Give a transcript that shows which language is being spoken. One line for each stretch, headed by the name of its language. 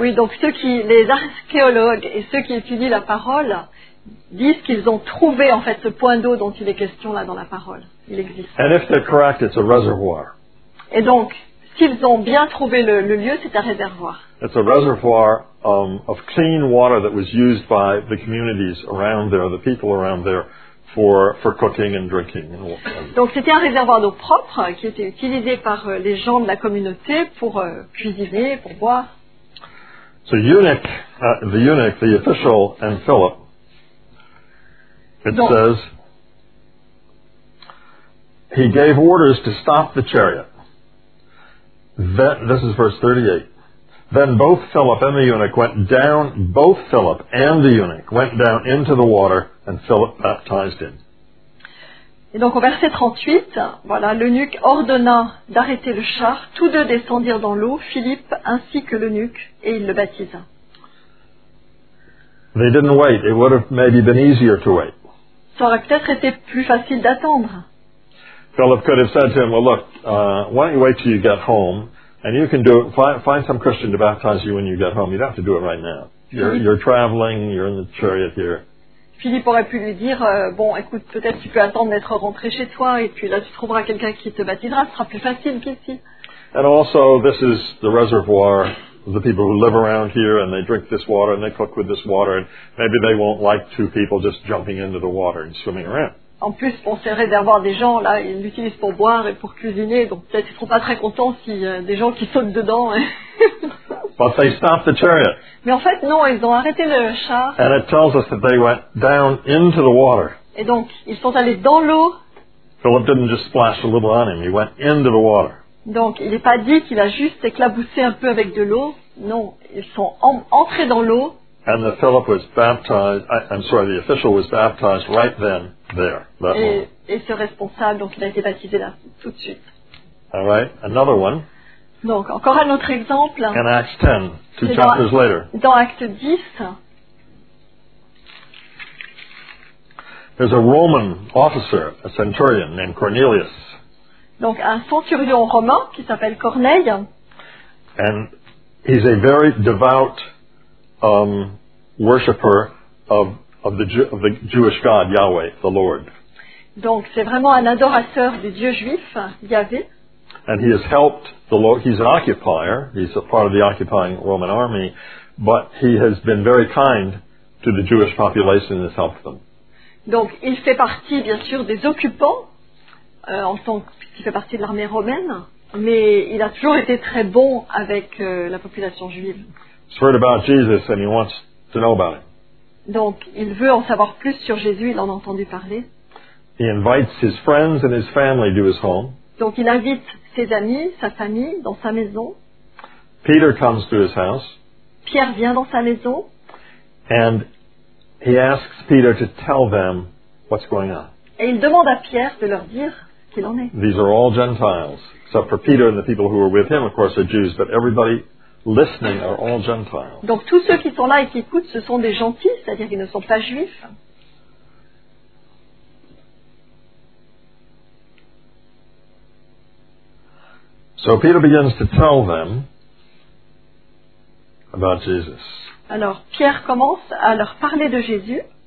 French: Oui, donc les archéologues et ceux qui étudient la parole disent qu'ils ont trouvé en fait ce point d'eau dont il est question là dans la parole. Il existe.
English: And if they're correct, it's a reservoir.
French: Et donc, s'ils ont bien trouvé le lieu, c'est un réservoir.
English: It's a reservoir of clean water that was used by the communities around there, the people around there, for cooking and drinking.
French: Donc c'était un réservoir d'eau propre qui était utilisé par les gens de la communauté pour cuisiner, pour boire.
English: So the eunuch, the official, and Philip. It says he gave orders to stop the chariot. This is verse 38. Then both Philip and the eunuch went down into the water, and Philip baptized him.
French: Et donc au verset 38, voilà, l'eunuque ordonna d'arrêter le char, tous deux descendirent dans l'eau, Philippe ainsi que l'eunuque, et il le baptisa.
English: They didn't wait. It would have maybe been easier to wait.
French: Ça aurait peut-être été plus facile d'attendre.
English: Philip could have said to him, well look, why don't you wait till you get home? And you can do it, find some Christian to baptize you when you get home. You don't have to do it right now. You're traveling, you're in the chariot here.
French: Philippe aurait pu lui dire, bon, écoute, peut-être tu peux attendre d'être rentré chez toi, et puis là tu trouveras quelqu'un qui te baptisera, ce sera plus facile qu'ici.
English: And also, this is the reservoir, the people who live around here, and they drink this water, and they cook with this water, and maybe they won't like two people just jumping into the water and swimming around.
French: En plus, pour ces réservoirs des gens, là, ils l'utilisent pour boire et pour cuisiner, donc peut-être ils ne seront pas très contents si des gens qui sautent dedans.
English: But they stopped the chariot.
French: Mais en fait, non, ils ont arrêté le char.
English: And it tells us that they went down into the water.
French: Et donc, ils sont allés dans l'eau.
English: Philip didn't just splash a little on him, he went into the water.
French: Donc, il n'est pas dit qu'il a juste éclaboussé un peu avec de l'eau. Non, ils sont entrés dans l'eau.
English: And the Philip was baptized, the official was baptized right then. There, that one.
French: Et ce responsable, donc il a été baptisé là, tout de suite.
English: All right, another one.
French: Donc, encore un autre exemple.
English: In Acts 10, two chapters later.
French: Dans Acte 10.
English: There's a Roman officer, a centurion named Cornelius.
French: Donc, un centurion romain qui s'appelle Corneille.
English: And he's a very devout worshipper of the Jewish God, Yahweh, the Lord.
French: Donc, c'est vraiment un adorateur du Dieu juif, Yahvé.
English: And he has helped the Lord. He's an occupier. He's a part of the occupying Roman army. But he has been very kind to the Jewish population and has helped them.
French: Donc, il fait partie, bien sûr, des occupants, puisqu'il fait partie de l'armée romaine. Mais il a toujours été très bon avec la population juive.
English: He's heard about Jesus and he wants to know about it.
French: Donc, il veut en savoir plus sur Jésus, il en a entendu parler.
English: He invites his friends and his family to his home.
French: Donc il invite ses amis, sa famille dans sa maison.
English: Peter comes to his house.
French: Pierre vient dans sa maison.
English: And he asks Peter to tell them what's going on.
French: Et il demande à Pierre de leur dire qu'il en est.
English: These are all Gentiles. Except for Peter and the people who were with him, of course, are Jews, but everybody listening are all Gentiles.
French: Donc tous ceux qui sont là et qui écoutent, ce sont des gentils, c'est-à-dire qu'ils ne sont pas juifs.
English: So Peter begins to tell them about Jesus.
French: Alors Pierre commence à leur parler de Jésus.